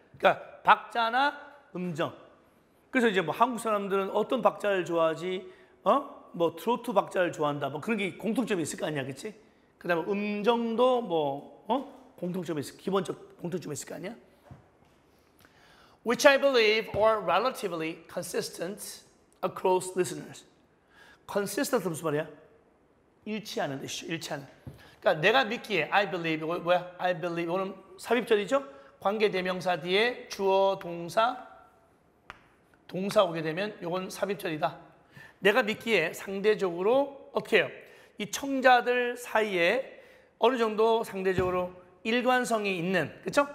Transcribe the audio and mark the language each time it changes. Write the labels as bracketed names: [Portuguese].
[Korean] 그러니까 박자나 음정. 그래서 이제 뭐 한국 사람들은 어떤 박자를 좋아하지? 어? 뭐 트로트 박자를 좋아한다. 뭐 그런 게 공통점이 있을 거 아니야. 그치? 그 다음에 음정도 뭐 어? 공통점이 있을, 기본적 공통점이 있을 거 아니야? [English] Which I believe are relatively consistent across listeners. [Korean] Consistent 무슨 말이야? 일치하는 이슈, 일치하는. 그러니까 내가 믿기에 [English] I believe, [Korean] 이거 뭐야? I believe, 이거는 삽입절이죠? 관계대명사 뒤에 주어, 동사, 동사 오게 되면 이건 삽입절이다. 내가 믿기에 상대적으로 어떻게 해요? 이 청자들 사이에 어느 정도 상대적으로 일관성이 있는, 그렇죠?